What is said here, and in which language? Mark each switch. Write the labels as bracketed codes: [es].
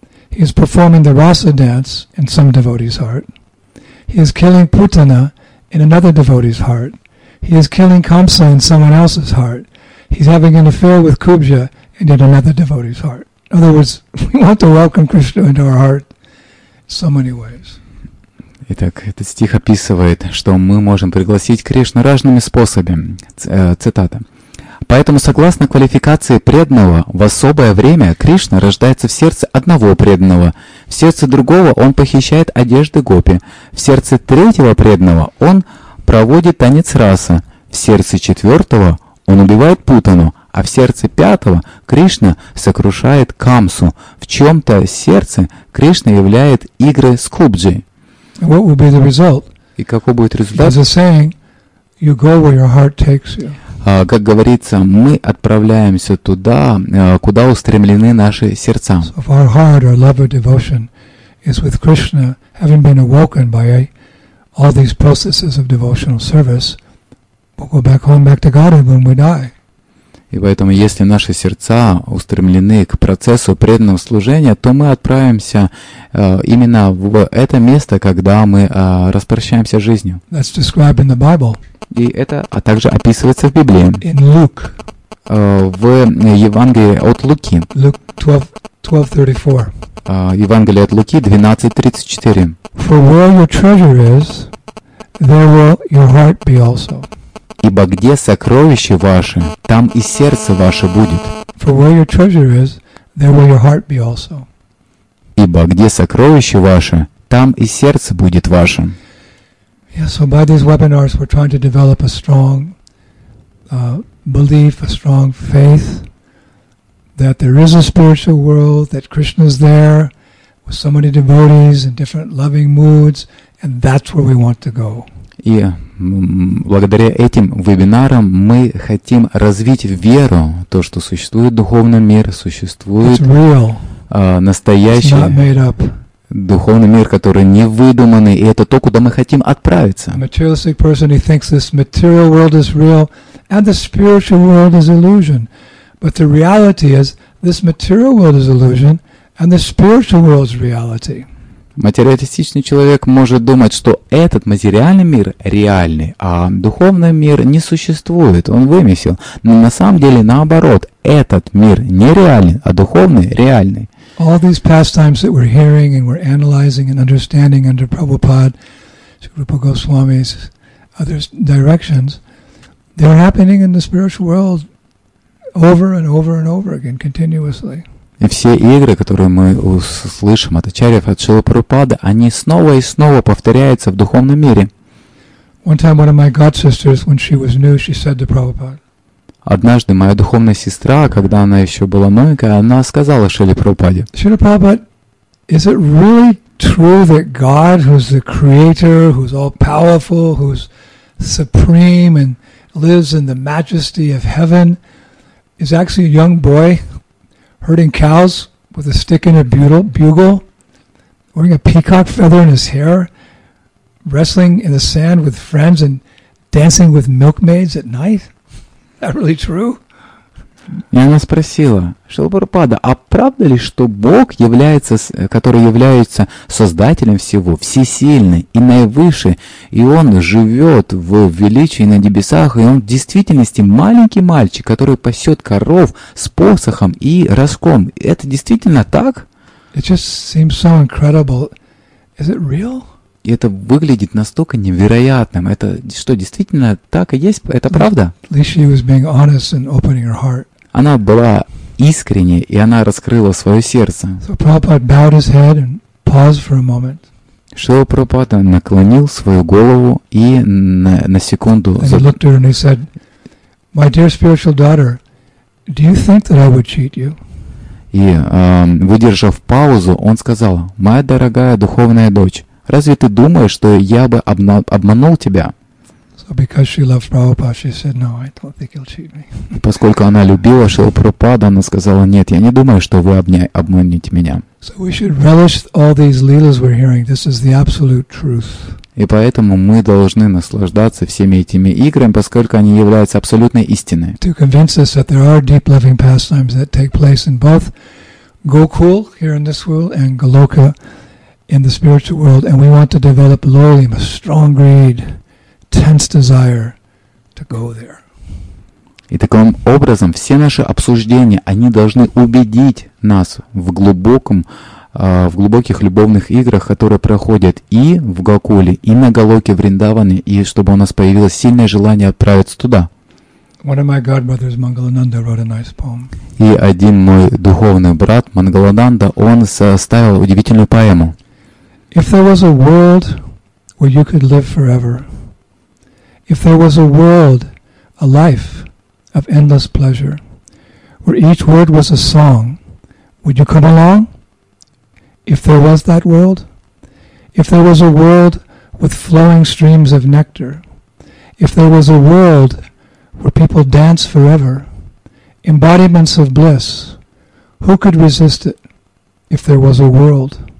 [en] He is performing the rasa dance in some devotee's heart. He is killing putana in another devotee's heart. He is killing Kamsa in someone else's heart. He's having an affair with Kubja in another devotee's heart. In other words, we want to welcome Krishna into our heart in so many ways. [ru] Итак, этот стих описывает, что мы можем пригласить Кришну разными способами. Цитата. Поэтому, согласно квалификации преданного, в особое время Кришна рождается в сердце одного преданного, в сердце другого он похищает одежды гопи, в сердце третьего преданного он проводит танец раса, в сердце четвертого он убивает путану, а в сердце пятого Кришна сокрушает Камсу, в чем-то сердце Кришна являет игры с Кубджей. [en] What will be the result? [ru] И какой будет результат? [en] As a saying, you go where your heart takes you. [ru] Как говорится, мы отправляемся туда, куда устремлены наши сердца. [en] So if our heart, our love or devotion is with Krishna, having been awoken by all these processes of devotional service, we'll go back home, back to Godhead when we die. [ru] И поэтому, если наши сердца устремлены к процессу преданного служения, то мы отправимся именно в это место, когда мы распрощаемся с жизнью. [en] That's described in the Bible. [ru] И это также описывается в Библии. [en] In Luke. [ru] В Евангелии от Луки. [en] Luke 12:34. [ru] Евангелие от Луки 12:34. [en] For where your treasure is, there will your heart be also. [ru] Ибо где сокровище ваше, там и сердце ваше будет. [en] For where your treasure is, there will your heart be also. [ru] Ибо где сокровище ваше, там и сердце будет ваше. [en] Yeah, so by these webinars we're trying to develop a strong belief, a strong faith that there is a spiritual world, that Krishna's there with so many devotees in different loving moods, and that's where we want to go. [ru] И благодаря этим вебинарам мы хотим развить веру, то, что существует духовный мир, существует настоящий духовный мир, который не выдуманный, и это то, куда мы хотим отправиться. [en] Materialistic person, he thinks this material world is real, and the spiritual world is illusion. But the reality is, this material world is illusion, and the spiritual world is reality. [ru] Материалистичный человек может думать, что этот материальный мир реальный, а духовный мир не существует, он вымысел. Но на самом деле, наоборот, этот мир нереален, а духовный реальный. [en] All these pastimes that we're hearing and we're analyzing and understanding under Prabhupada, Sri Rupa Goswami's, other directions, they're happening in the spiritual world over and over and over again, continuously. [ru] И все игры, которые мы услышим от ачарьев, от Шрилы Прабхупады, они снова и снова повторяются в духовном мире. [en] One time one of my god sisters, when she was new, she said to Prabhupada. [ru] Однажды моя духовная сестра, когда она еще была новенькая, она сказала Шриле Прабхупаде. [en] Шрила Прабхупада, is it really true that God, who's the creator, who's all-powerful, who's supreme and lives in the majesty of heaven, is actually a young boy herding cows with a stick and a bugle, wearing a peacock feather in his hair, wrestling in the sand with friends and dancing with milkmaids at night? Is that really true? [ru] И она спросила Шилбарупада, а правда ли, что Бог, является, который является создателем всего, всесильный и наивысший, и Он живет в величии на небесах, и Он в действительности маленький мальчик, который пасет коров с посохом и рожком. Это действительно так? [en] It just seems so incredible. Is it real? [ru] И это выглядит настолько невероятным. Это что, действительно так и есть? Это правда? [en] Лиши was being honest and opening her heart. [ru] Она была искренней, и она раскрыла свое сердце. [en] So Prabhupada bowed his head and paused for a moment. [ru] Шрила Прабхупада наклонил свою голову и на секунду... [en] And he looked at her and he said, My dear spiritual daughter, do you think that I would cheat you? [ru] И выдержав паузу, он сказал, Моя дорогая духовная дочь, разве ты думаешь, что я бы обманул тебя? [en] Because she loved Prabhupada, she said, "No, I don't think you'll cheat me." [ru] Поскольку она любила Шрилу Прабхупаду, она сказала: "Нет, я не думаю, что вы обманете меня." [en] So we should relish all these leelas we're hearing. This is the absolute truth. [ru] И поэтому мы должны наслаждаться всеми этими играми, поскольку они являются абсолютной истиной. [en] To convince us that there are deep loving pastimes that take place in both Gokul here in this world and Goloka in the spiritual world, and we want to develop lolim, a strong greed. Tense desire to go there. [ru] И таким образом все наши обсуждения, они должны убедить нас в глубоких любовных играх, которые проходят и в Гокуле, и на Голоке Вриндаване, и чтобы у нас появилось сильное желание отправиться туда. [en] One of my godbrothers, Mangalananda, wrote a nice poem. [ru] И один мой духовный брат, Мангалананда, он составил удивительную поэму. [en] If there was a world where you could live forever, If there was a world, a life of endless pleasure, where each word was a song, would you come along? If there was that world, if there was a world with flowing streams of nectar, if there was a world where people dance forever, embodiments of bliss, who could resist it if there was a world?